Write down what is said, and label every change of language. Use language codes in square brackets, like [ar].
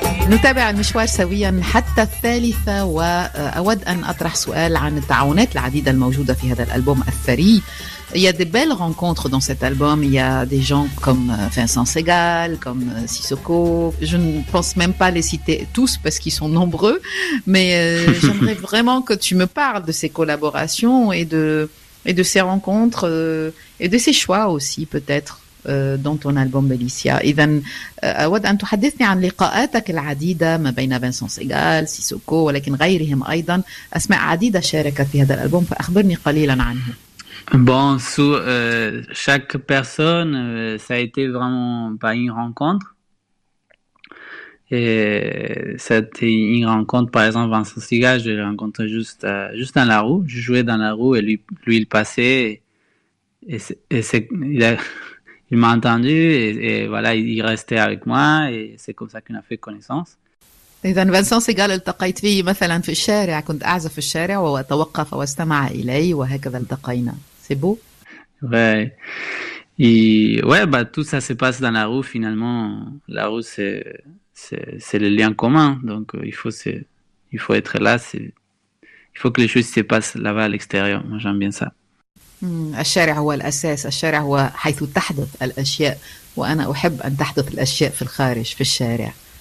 [ar] نتابع المشوار سويا حتى الثالثة وأود أن أطرح سؤال عن التعاونات العديدة الموجودة في هذا الألبوم الثري. [fr] Il y a de belles rencontres dans cet album. Il y a des gens comme Vincent Segal, comme Sissoko. Je ne pense même pas les citer tous parce qu'ils sont nombreux. Mais j'aimerais vraiment que tu me parles de ces collaborations et de ces rencontres et de ces choix aussi peut-être. dans ton album Belicia. [ar] إذن أود أن تحدثني عن لقاءاتك العديدة ما بين فينسون سيغال، سيسوكو، ولكن غيرهم أيضا. أسماء عديدة شاركت في هذا الألبوم، فأخبرني قليلا عنه. [fr] Bon, sous chaque personne, ça a été vraiment pas une rencontre. Et c'était une rencontre, par exemple, Vincent Siga, je l'ai rencontré juste dans la rue. Je jouais dans la rue et lui il passait. Il m'a entendu et voilà, il restait avec moi. Et c'est comme ça qu'on a fait connaissance. [ar] إذن فينسون سيغال التقيت فيه مثلا في الشارع، كنت أعزف في الشارع وتوقف واستمع إلي وهكذا التقينا. سي بو؟ [fr] Ouais. Ouais, bah tout ça se passe dans la rue finalement. La rue c'est le lien commun. Donc il faut être là. Il faut que les choses se passent là-bas à l'extérieur. Moi j'aime bien ça. [ar] الشارع هو الأساس، الشارع هو حيث تحدث الأشياء، وأنا أحب أن تحدث الأشياء في الخارج، في الشارع.